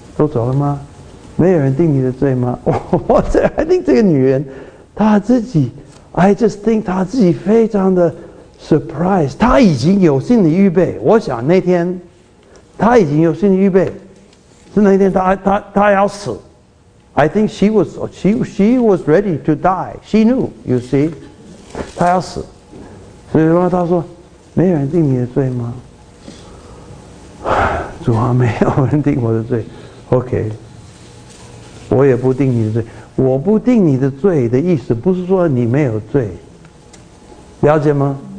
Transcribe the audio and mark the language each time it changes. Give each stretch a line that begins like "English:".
Chinese: 都走了吗？没有人定你的罪吗？” 我这
English: I think
Chinese: 这个女人，她自己
English: I just think
Chinese: 她自己非常的。 Surprise， 他已经有心理预备。我想那天，他已经有心理预备，是那天他要死。
English: I think she was ready to die. She knew, you see，
Chinese: 他要死。所以说他说，没有人定你的罪吗？主啊，没有人定我的罪。OK， 我也不定你的罪。我不定你的罪的意思不是说你没有罪，了解吗？